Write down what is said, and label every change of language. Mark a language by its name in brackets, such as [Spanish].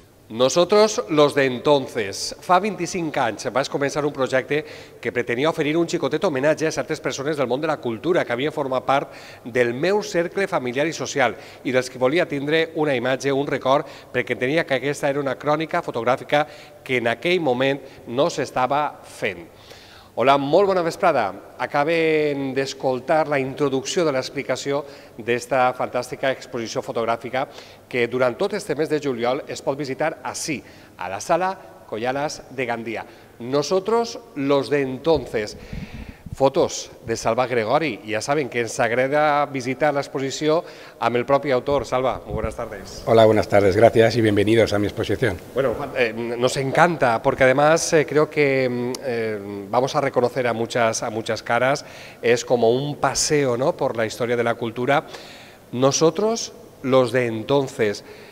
[Catalan] Nosotros, los de entonces, fa 25 anys, vas començar un projecte que pretenia oferir un xicotet homenatge a certes persones del món de la cultura que havien format part del meu cercle familiar i social i dels que volia tindre una imatge, un record, perquè tenia que aquesta era una crònica fotogràfica que en aquell moment no s'estava fent. Hola, molt bona vesprada. Acabem d'escoltar la introducció de l'explicació d'esta fantàstica exposició fotogràfica que durant tot este mes de juliol es pot visitar ací, a la Sala Collalas de Gandia. [Spanish] Nosotros, los de entonces. Fotos de Salva Gregori. [Catalan] Ja saben que ens agrada visitar l'exposició amb el propi autor. [Spanish] Salva, muy buenas tardes. Hola, buenas tardes, gracias y bienvenidos a mi exposición. Bueno, nos encanta porque además creo que vamos a reconocer a muchas caras. Es como un paseo, ¿no?, por la historia de la cultura. Nosotros, los de entonces.